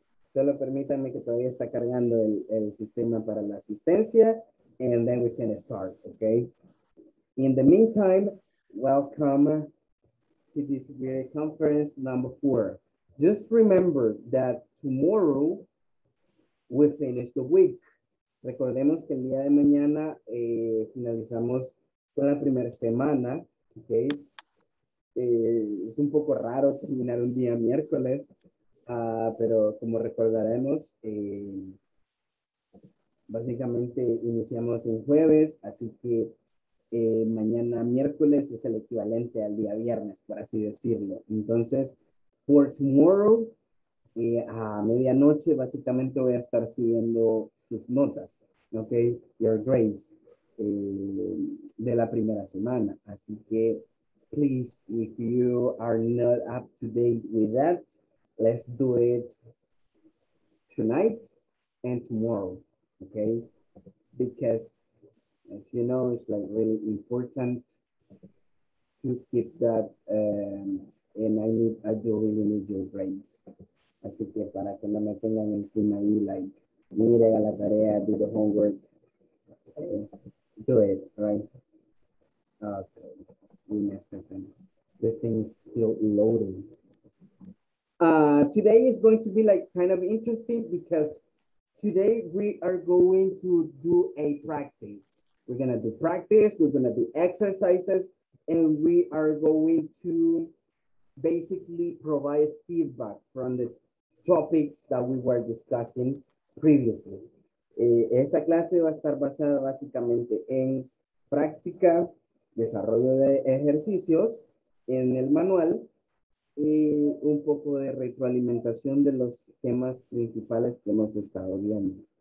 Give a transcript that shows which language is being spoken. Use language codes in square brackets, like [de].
[es] Solo permítanme que todavía está cargando el sistema para la asistencia, [en] and then we can start, okay? In the meantime, welcome to this video conference number 4. Just remember that tomorrow, we finish the week. [es] Recordemos que el día de mañana finalizamos con la primera semana, ¿ok? Es un poco raro terminar un día miércoles, pero como recordaremos, básicamente iniciamos un jueves, así que mañana miércoles es el equivalente al día viernes, por así decirlo. Entonces, [en] for tomorrow, [es] a medianoche, básicamente voy a estar subiendo sus notas, ¿ok? [en] Your grades [es] de la primera semana. Así que, [en] please, if you are not up to date with that, let's do it tonight and tomorrow, ¿ok? Because, as you know, it's like really important to keep that, I really need your grades. [es] Así que para que no me tengan encima ahí, like, mire a la tarea, [en] do the homework, do it, right? Okay, give me a second. This thing is still loading. Today is going to be like kind of interesting because today we are going to do a practice. We're gonna do practice, we're gonna do exercises, and we are going to basically provide feedback from the topics that we were discussing previously. [es] Esta clase va a estar basada básicamente en práctica, desarrollo de ejercicios, en el manual, y un poco de retroalimentación de los temas principales que hemos estado viendo.